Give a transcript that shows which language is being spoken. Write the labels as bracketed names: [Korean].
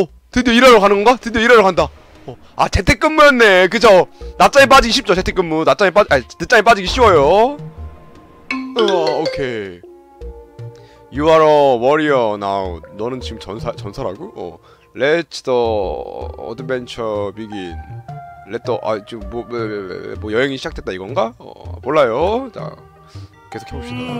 [Korean] 드디어 일하러 가는 건가? 드디어 일하러 간다. 아 재택근무였네. 그죠? 낮잠에 빠지기 쉽죠. 재택근무 늦잠에 빠지기 쉬워요. 오케이. [English] You are a warrior now. [Korean] 너는 지금 전사라고? [English] Let's the adventure begin. Let the [Korean] 아 지금 뭐 여행이 시작됐다 이건가? 몰라요. 자 계속 해봅시다.